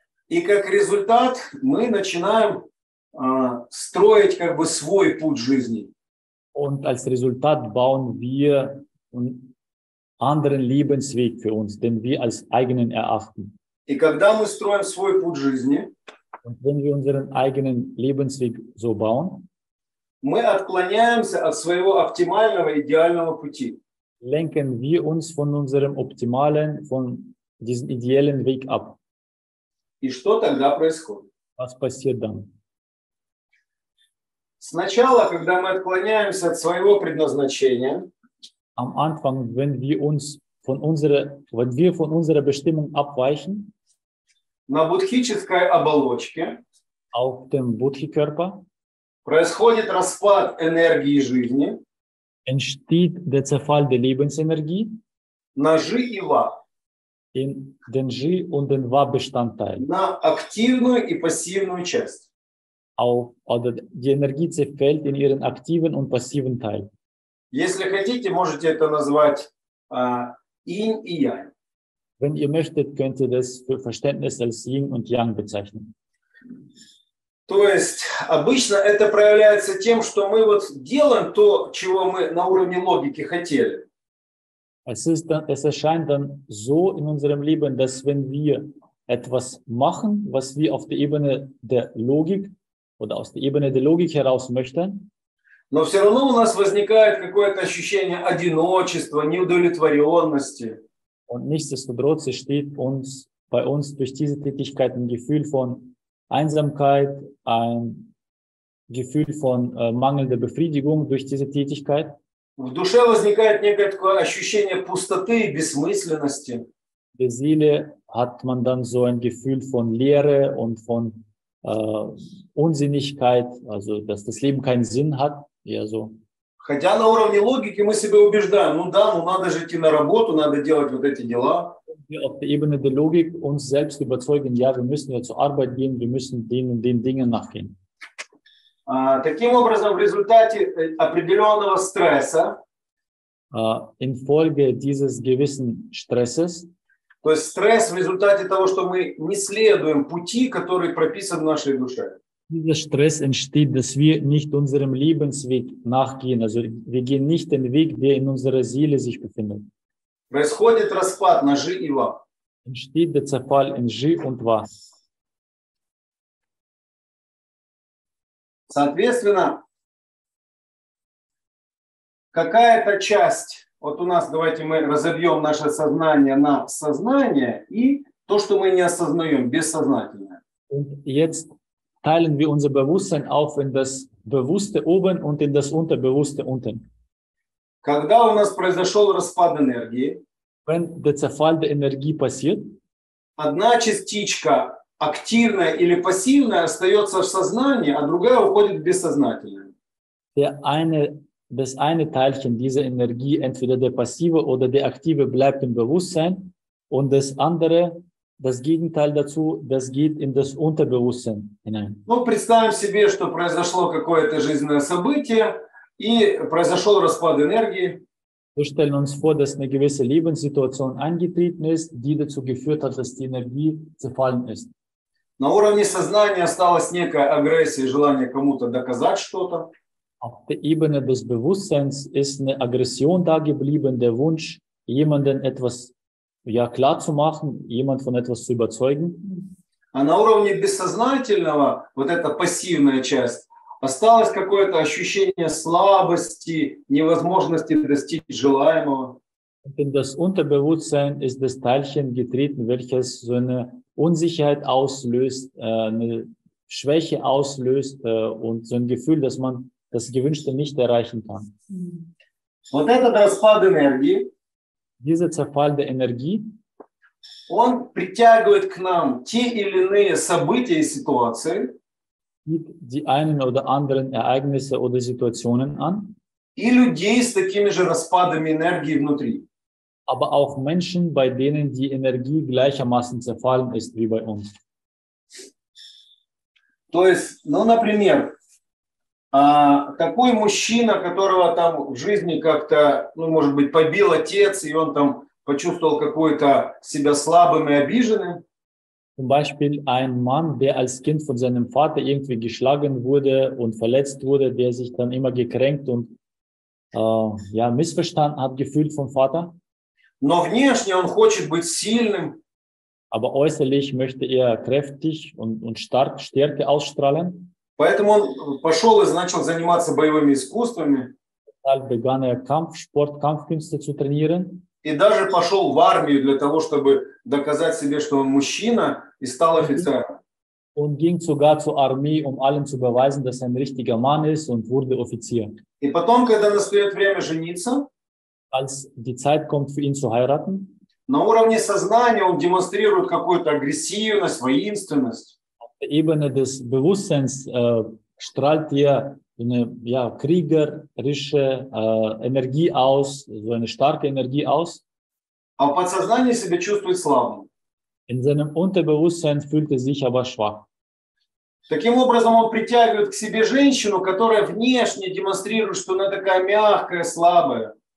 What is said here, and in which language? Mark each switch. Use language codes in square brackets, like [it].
[ru] И как результат мы начинаем строить как бы свой путь жизни. [de] Und als Resultat bauen wir einen anderen Lebensweg für uns, den wir als eigenen erachten. [ru] И когда мы строим свой путь жизни, [de] und wenn wir unseren eigenen Lebensweg so bauen, [ru] мы отклоняемся от своего оптимального, идеального пути. [de] Lenken wir uns von unserem optimalen, von diesem ideellen Weg ab. [ru] И что тогда происходит? [de] Was passiert dann? [ru] Сначала, когда мы отклоняемся от своего предназначения, [de] am Anfang, wenn wir uns von unserer, wenn wir von unserer Bestimmung abweichen, [ru] на буддхической оболочке, [de] auf dem Buddhi-Körper, [ru] происходит распад энергии жизни, [de] entsteht der Zerfall der Lebensenergie, [ru] на Жи и Ва, [de] in den Жи und den Ва-Bestandteil, [ru] на активную и пассивную часть. [de] Auf, oder die Energie zerfällt in ihren aktiven und passiven Teil. [ru] Если хотите, можете это назвать Yin и Yang. [de] Wenn ihr möchtet, könnt ihr das für Verständnis als Yin und Yang bezeichnen. [ru] То есть обычно это проявляется тем, что мы вот делаем то, чего мы на уровне логики хотели. [de] Es erscheint dann so in unserem Leben, dass wenn wir etwas machen, was wir auf der Ebene der Logik oder aus der Ebene der Logik heraus möchten, [ru] но все равно у нас возникает какое-то ощущение одиночества, неудовлетворенности. [de] Und nichtsdestotrotz steht uns bei uns durch diese Tätigkeit ein Gefühl von Einsamkeit, ein Gefühl von mangelnder Befriedigung durch diese Tätigkeit. [ru] В душе возникает некое такое ощущение пустоты и бессмысленности. [de] В Seele hat man dann so ein Gefühl von Leere und von Unsinnigkeit, also dass das Leben keinen Sinn hat, eher so. [ru] Хотя на уровне логики мы себя убеждаем, ну да, ну надо же идти на работу, надо делать вот эти дела. [de] Wir auf der Ebene der Logik uns selbst überzeugen, ja, wir müssen ja zur Arbeit gehen, wir müssen den und den Dingen nachgehen. [ru] Таким образом, в результате определенного стресса, [de] infolge dieses gewissen Stresses, [ru] то есть стресс в результате того, что мы не следуем пути, который прописан в нашей душе. [de] Dieser Stress entsteht, dass wir nicht unserem Lebensweg nachgehen, also wir gehen nicht den Weg, der in unserer Seele sich befindet. [ru] Происходит распад на Жи и Ва. [de] Entsteht der Zerfall in Жи und Ва. [ru] Соответственно, какая-то часть, вот у нас, давайте мы разобьем наше сознание на сознание и то, что мы не осознаем, бессознательное. [de] Und jetzt teilen wir unser Bewusstsein auf in das Bewusste oben und in das Unterbewusste unten. [ru] Когда у нас произошел распад энергии, [de] wenn der Zerfall der Energie passiert, [ru] одна частичка, активная или пассивная, остается в сознании, а другая уходит в бессознательное. [de] Das eine Teilchen dieser Energie, entweder der passive oder der aktive, bleibt im Bewusstsein und das andere Das Gegenteil dazu, das geht in das Unterbewusstsein hinein. [ru] Ну, представим себе, что произошло какое-то жизненное событие и произошел распад энергии. [de] Wir stellen uns vor, dass eine gewisse Lebenssituation eingetreten ist, die dazu geführt hat, dass die Energie zerfallen ist. [ru] На уровне сознания осталась некая агрессия, желание кому-то доказать что-то. [de] Auf der Ebene des Bewusstseins ist eine Aggression da geblieben, der Wunsch, jemanden etwas ja, klar zu machen, jemand von etwas zu überzeugen. [ru] А на уровне бессознательного, вот эта пассивная часть, осталось какое-то ощущение слабости, невозможности достичь желаемого. [de] In das Unterbewusstsein ist das Teilchen getreten, welches so eine Unsicherheit auslöst, eine Schwäche auslöst und so ein Gefühl, dass man das Gewünschte nicht erreichen kann. [ru] Вот этот распад энергии, [de] dieser Zerfall der Energie, [ru] он притягивает к нам те или иные события и ситуации, [de] zieht die einen oder anderen Ereignisse oder Situationen an, [ru] и людей с такими же распадами энергии внутри. [de] Aber auch Menschen, bei denen die Energie gleichermaßen zerfallen ist wie bei uns. [ru] То есть, ну, например, такой мужчина, которого там в жизни как-то, ну, может быть, побил отец, и он там почувствовал какой-то себя слабым и обиженным. [de] Zum Beispiel ein Mann, der als Kind von seinem Vater irgendwie geschlagen wurde und verletzt wurde, der sich dann immer gekränkt und ja, missverstanden hat gefühlt vom Vater. [ru] Но внешне он хочет быть сильным. [de] Aber äußerlich möchte er kräftig und stark Stärke ausstrahlen. [ru] Поэтому он пошел и начал заниматься боевыми искусствами. [de] Deshalb begann er Kampfsport, Kampfkünste zu trainieren. [ru] И даже пошел в армию для того, чтобы доказать себе, что он мужчина, и стал офицером. [de] Und ging sogar zur Armee, um allen zu beweisen, dass er ein richtiger Mann ist und wurde Offizier. [ru] И потом, когда настает время жениться, [de] als die Zeit kommt für ihn zu heiraten, [ru] на уровне сознания он демонстрирует какую-то агрессивность, воинственность. [de] Auf der Ebene des Bewusstseins strahlt er eine ja, kriegerische Energie aus, so eine starke Energie aus. [ru] А в подсознании себя чувствует слабым. [de] In seinem Unterbewusstsein fühlt er sich aber schwach. [ru] Таким образом он притягивает к себе женщину, которая внешне демонстрирует, что она такая мягкая, слабая.